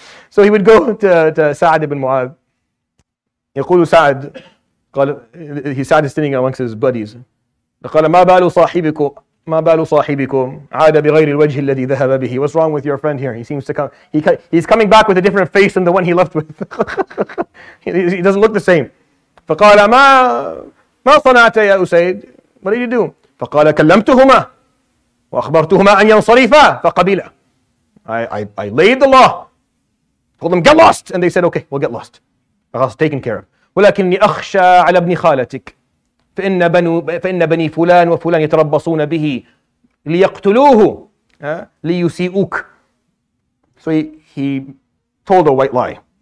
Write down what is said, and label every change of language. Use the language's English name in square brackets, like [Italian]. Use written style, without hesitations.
[English] So he would go to Sa'd ibn Mu'adh. [Arabic] يقول سعد قال هي سعد [English] standing amongst his buddies. [Arabic] قال ما بال صاحبكم عاد بغير الوجه الذي ذهب به. [English] What's wrong with your friend here? He seems to come. He's coming back with a different face than the one he left with. He doesn't look the same. [Arabic] فقال ما صنعت يا أسيد. [English] What did you do? [Arabic] فقال كلمتهما وأخبرتهما أن ينصرفا فقبلا. [English] I laid the law. Told them get lost and they said okay we'll get lost. Taken care of. [Arabic] وَلَكِنِّي أَخْشَى عَلَى ابْنِ خَالَتِكَ فَإِنَّ بَنِي فُلَانَ وَفُلَانَ يَتَرَبَّصُونَ بِهِ لِيَقْتُلُوهُ لِيُسِيئُكَ. [English] So he told a white lie.